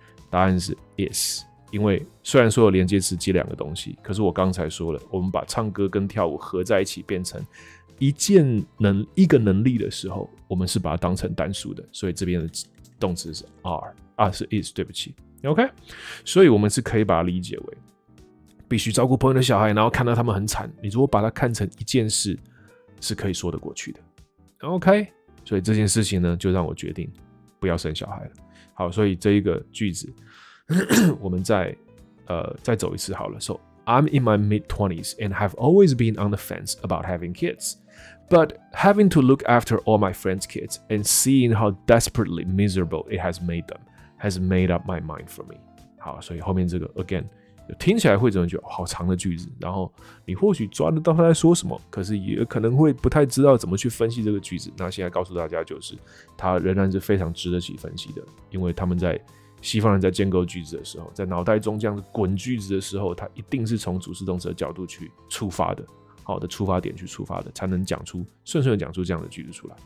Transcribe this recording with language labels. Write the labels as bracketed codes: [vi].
[zh] 答案是 is， 因为虽然说有连接词接两个东西，可是我刚才说了，我们把唱歌跟跳舞合在一起变成一个能力的时候，我们是把它当成单数的，所以这边的动词是 are 啊，是 is， 对不起。 OK， 所以我们是可以把它理解为必须照顾朋友的小孩，然后看到他们很惨。你如果把它看成一件事，是可以说得过去的。 OK， 所以这件事情呢，就让我决定不要生小孩了。 [en] 好，所以这一个句子，我们再走一次好了。 So I'm in my mid-twenties and have always been on the fence about having kids, but having to look after all my friends' kids and seeing how desperately miserable it has made them has made up my mind for me. [zh] 好，所以后面这个 again 听起来会怎么觉得好长的句子，然后。你或许抓得到他在说什么，可是也可能会不太知道怎么去分析这个句子。那现在告诉大家，就是他仍然是非常值得起分析的，因为他们在西方人在建构句子的时候，在脑袋中这样滚句子的时候，他一定是从主词动词的角度去出发的，好的出发点去出发的，才能讲出顺顺的讲出这样的句子出来。